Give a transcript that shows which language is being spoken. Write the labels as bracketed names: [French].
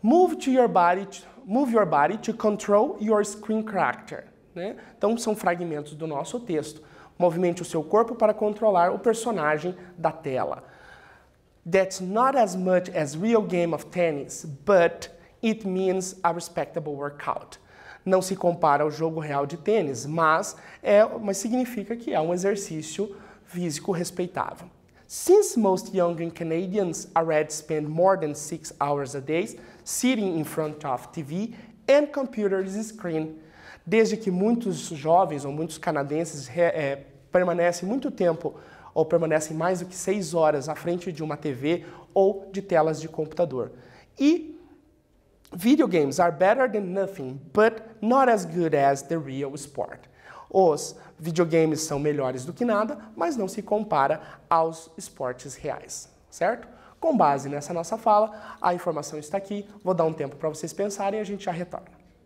[English] Move your body to control your screen character. [Portuguese] Né? Então, são fragmentos do nosso texto. Movimente o seu corpo para controlar o personagem da tela. [English] That's not as much as real game of tennis, but it means a respectable workout. [Portuguese] Não se compara ao jogo real de tênis, mas significa que é um exercício físico respeitável. [English] Since most young Canadians already spend more than 6 hours a day sitting in front of TV and computer screen. [Portuguese] Desde que muitos jovens ou muitos canadenses permanecem muito tempo ou permanecem mais do que 6 horas à frente de uma TV ou de telas de computador. [English] E video games are better than nothing, but not as good as the real sport. [Portuguese] Os videogames são melhores do que nada, mas não se compara aos esportes reais, certo? Com base nessa nossa fala, a informação está aqui. Vou dar um tempo para vocês pensarem e a gente já retorna.